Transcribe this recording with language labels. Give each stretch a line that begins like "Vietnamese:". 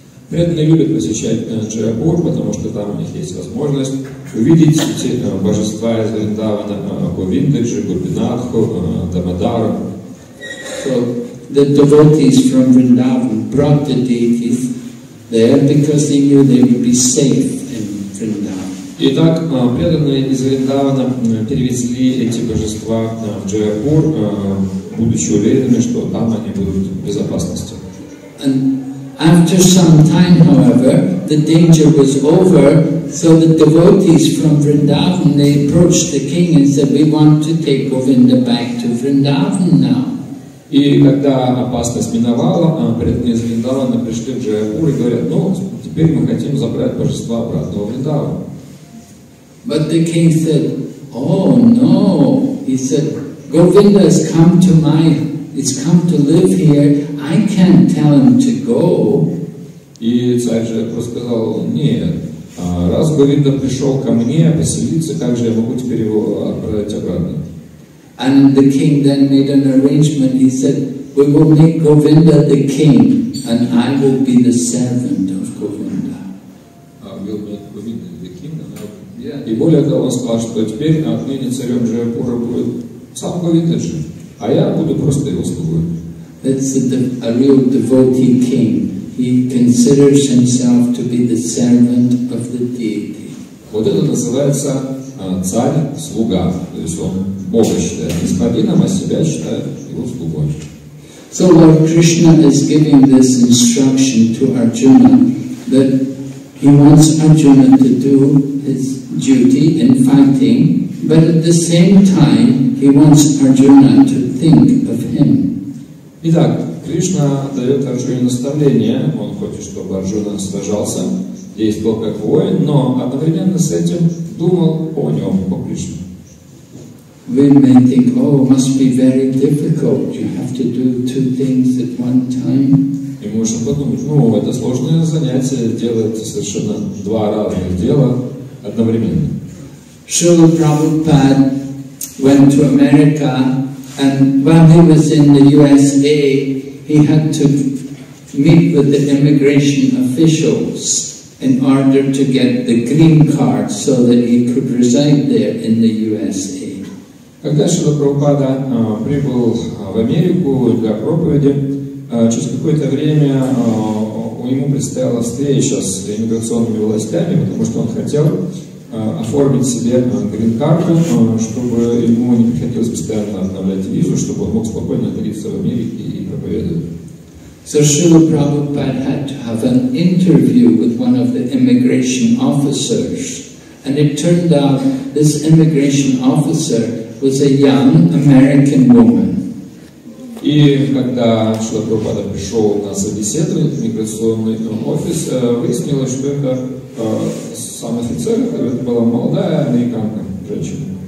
Russian: Преданные любят посещать Джайпур, потому что там у них есть возможность увидеть все божества из Вриндавана, Говиндаджи, Гопинатху, Дамодару.
English: So the devotees from Vrindavan brought the deities there because they knew they would be safe in Vrindavan.
Russian: Итак, преданные из Вриндавана перевезли эти божества в Джайпур, будучи уверенными, что там они будут в безопасности.
English: After some time, however, the danger was over, so the devotees from Vrindavan, they approached the king and said, we want to take Govinda back to Vrindavan now.
Russian: И когда опасность миновала, преданные из Вриндавана пришли в Джайпур и говорят, ну, теперь мы хотим забрать божества обратно в Вриндаван.
English: But the king said, oh no, he said, Govinda has come to my house. It's come to live here. I can't tell him to go.
Russian: И царь же просто сказал, нет, раз Говинда пришел ко мне поселиться, как же я могу теперь его отправить обратно?
English: And the king then made an arrangement. He said, we will make Govinda the king, and I will be the servant of Govinda. We'll make Govinda the king, and I'll...
Russian: Yeah. И более того, он сказал, что теперь отныне царем Джайпура будет сам Говинда же. А я буду просто его слугой.
English: That's a real devotee king. He considers himself to be the servant of the deity.
Russian: Вот это называется царь-слуга. То есть он Бога считает господином, а себя считает его слугой.
English: So Lord Krishna is giving this instruction to Arjuna that he wants Arjuna to do his duty in fighting, but at the same time he wants Arjuna to think of him.
Russian: Итак, Кришна дает Арджуне наставление. Он хочет, чтобы Арджуна сражался, действовал как воин, но одновременно с этим думал о нем, о Кришне.
English: We may think, oh, it must be very difficult. You have to do two things at one time.
Russian: И можем подумать, ну, это сложное занятие делать совершенно два разных дела одновременно.
English: Шрила Прабхупада went to America, and while he was in the USA, he had to meet with the immigration officials in order to get the green card so that he could reside there in the USA.
Russian: Когда Шрила Прабхупада прибыл в Америку для проповеди, через какое-то время ему предстояла встреча с иммиграционными властями, потому что он хотел оформить себе грин-карту, чтобы ему не приходилось постоянно обновлять визу, чтобы он мог спокойно находиться в Америке и проповедовать.
English: So Srila Prabhupada had to have an interview with one of the immigration officers. And it turned out this immigration officer was a young American woman.
Russian: И когда Шрила Прабхупада пришел на собеседование в иммиграционный офис, выяснилось, что это сам офицер, это была молодая американка, женщина.